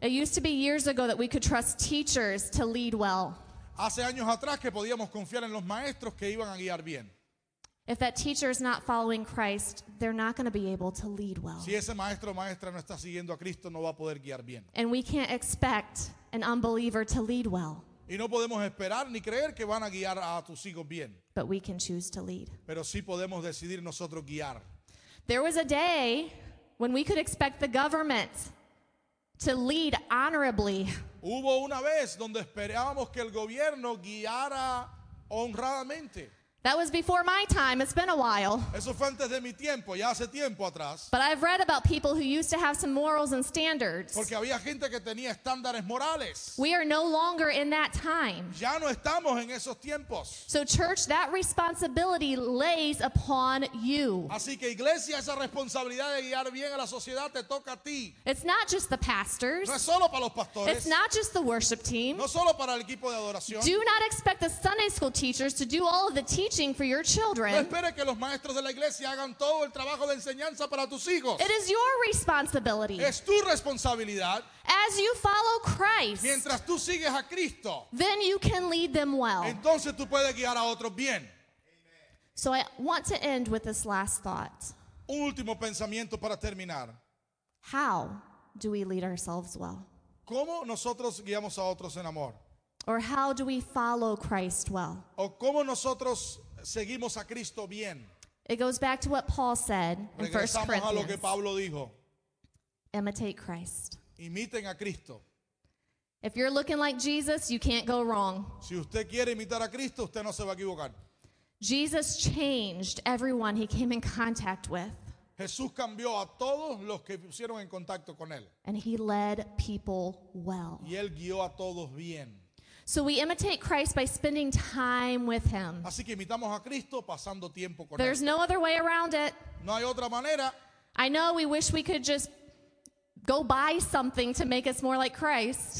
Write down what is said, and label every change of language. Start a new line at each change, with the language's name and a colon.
English: It used to be years ago that we could trust teachers to lead well.
Spanish: Hace años atrás que podíamos confiar en los maestros que iban a guiar bien.
English: If that teacher is not following Christ, they're not going to be able to lead well.
Spanish: Si ese maestro o maestra no está siguiendo a Cristo, no va a poder guiar bien.
English: And we can't expect an unbeliever to lead well.
Spanish: Y no podemos esperar ni creer que van a guiar a tus hijos bien.
English: But we can choose to lead.
Spanish: Pero sí podemos decidir nosotros guiar.
English: There was a day when we could expect the government to lead honorably.
Spanish: Hubo una vez donde esperábamos que el gobierno guiara honradamente.
English: That was before my time. It's been a while.
Spanish: Eso fue antes de mi tiempo, ya hace tiempo atrás.
English: But I've read about people who used to have some morals and standards.
Spanish: Porque había gente que tenía estándares morales.
English: We are no longer in that time.
Spanish: Ya no estamos en esos tiempos.
English: So church, that responsibility lays upon you.
Spanish: Así que iglesia, esa responsabilidad de guiar bien a la sociedad te toca a ti.
English: It's not just the pastors.
Spanish: No es solo para los pastores.
English: It's not just the worship team.
Spanish: No solo para el equipo de adoración.
English: Do not expect the Sunday school teachers to do all of the teaching for your children.
Spanish: No espere que los maestros de la iglesia hagan todo el trabajo de enseñanza para tus hijos.
English: It is your responsibility.
Spanish: Es tu responsabilidad.
English: As you follow Christ,
Spanish: mientras tú sigues a Cristo,
English: then you can lead them well.
Spanish: Entonces tú puedes guiar a otros bien.
English: So I want to end with this last thought.
Spanish: Un último pensamiento para terminar.
English: How do we lead ourselves well?
Spanish: ¿Cómo nosotros guiamos a otros en amor?
English: Or how do we follow Christ well?
Spanish: ¿O cómo nosotros seguimos a Cristo bien?
English: It goes back to what Paul said in 1 Corinthians.
Spanish: A lo que Pablo dijo.
English: Imitate Christ.
Spanish: Imiten a Cristo.
English: If you're looking like Jesus, you can't go wrong.
Spanish: Si usted quiere imitar a Cristo, usted no se va a equivocar.
English: Jesus changed everyone he came in contact with.
Spanish: Jesús cambió a todos los que pusieron en contacto con él.
English: And he led people well.
Spanish: Y él guió a todos bien.
English: So we imitate Christ by spending time with him.
Spanish: Así que imitamos a Cristo pasando tiempo con él.
English: There's no other way around it.
Spanish: No hay otra manera.
English: I know we wish we could just go buy something to make us more like Christ.